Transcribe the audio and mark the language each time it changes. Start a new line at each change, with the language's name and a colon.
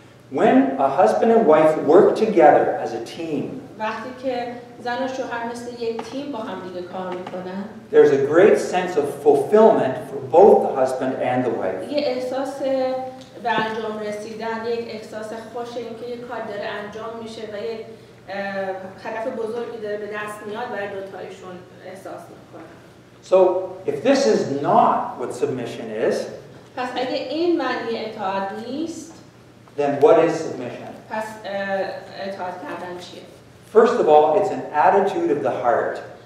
English: When a husband and wife work together as a team.
Persian: وقتی که زن و شوهر مثل یک تیم با هم دیگه کار میکنن.
English: There's a great sense of fulfillment for both the husband and the wife.
Persian: یه احساس به انجام رسیدن، یک احساس خوش این که یک کار داره انجام میشه و یک هدف بزرگی داره به دست میاد برای دو تایشون احساس میکنن.
English: So if this is not what submission is,
Persian: پس اگه این معنی اطاعت نیست،
English: then what is submission?
Persian: پس اطاعت کردن چیه؟
English: First of all, it's an attitude of the heart.